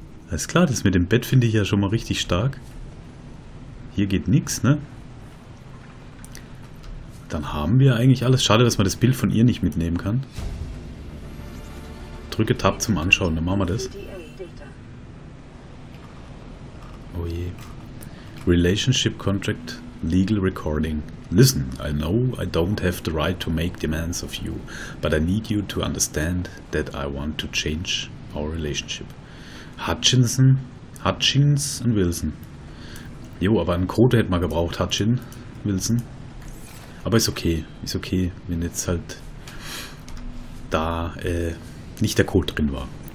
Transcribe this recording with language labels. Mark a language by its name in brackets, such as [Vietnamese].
[German] Alles klar, das mit dem Bett finde ich ja schon mal richtig stark. Hier geht nichts, ne? Dann haben wir eigentlich alles. Schade, dass man das Bild von ihr nicht mitnehmen kann. Drücke Tab zum Anschauen, dann machen wir das. Oh je. [English] Relationship Contract Legal Recording. Listen, I know I don't have the right to make demands of you, but I need you to understand that I want to change our relationship. [German] Hutchinson, Hutchins und Wilson. Jo, aber einen Code hätte man gebraucht, Hutchin, Wilson. Aber ist okay. Ist okay, wenn jetzt halt da nicht der Code drin war.